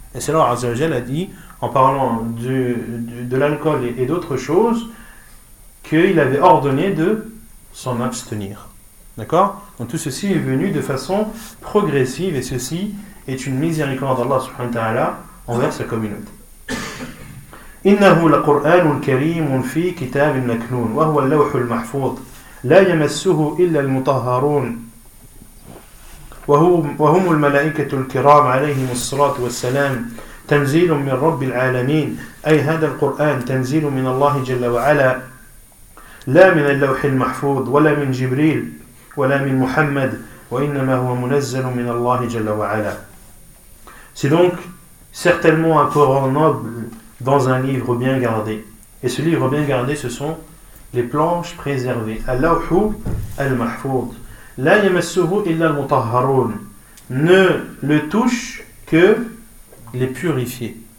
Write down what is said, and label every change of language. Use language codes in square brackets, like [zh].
[fr] Et c'est là où Azza wa Jalla a dit, en parlant de l'alcool et d'autres choses, qu'il avait ordonné de s'en abstenir. D'accord ? Donc tout ceci est venu de façon progressive et ceci est une miséricorde d'Allah subhanahu wa ta'ala envers sa communauté. [ar] إنه لقرآن كريم في كتاب مكنون وهو اللوح المحفوظ لا يمسه إلا المطهرون وهم الملائكة الكرام عليهم الصلاة والسلام تنزيل من رب العالمين أي هذا القرآن تنزيل من الله جل وعلا لا من اللوح المحفوظ ولا من جبريل ولا من محمد وإنما هو منزل من الله جل وعلا. [fr] C'est donc certainement un Coran noble dans un livre bien gardé. Et ce livre bien gardé, ce sont les planches préservées. [ar] Allahu al-mahfoud. La yamassuhu illa al-mutahharun. [fr] Ne le touche que les purifiés.